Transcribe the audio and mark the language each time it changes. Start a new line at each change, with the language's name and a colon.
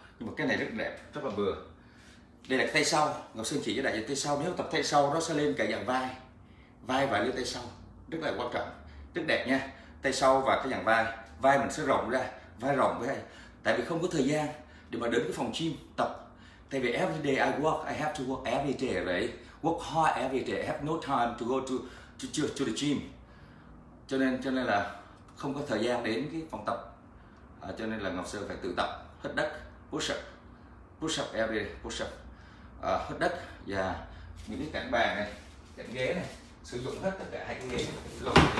Vietnamese: Nhưng mà cái này rất đẹp, rất là vừa. Đây là cái tay sau, Ngọc Sơn chỉ cho đại diện tay sau. Nếu tập tay sau nó sẽ lên cả dạng vai, vai và lên tay sau, rất là quan trọng, rất đẹp nha. Tay sau và cái dạng vai, vai mình sẽ rộng ra, vai rộng với anh. Tại vì không có thời gian để mà đến cái phòng gym tập. Tại vì
English: every day I have to work every day, right? Work hard every day, I have no time to go to the gym.
Vietnamese: Cho nên là không có thời gian đến cái phòng tập. Cho nên là Ngọc Sơn phải tự tập, hít đất,
English: push up every day, push up.
Vietnamese: Hít đất và những cái cảnh bàn này, cảnh ghế này, sử dụng hết tất cả hai cái ghế luôn.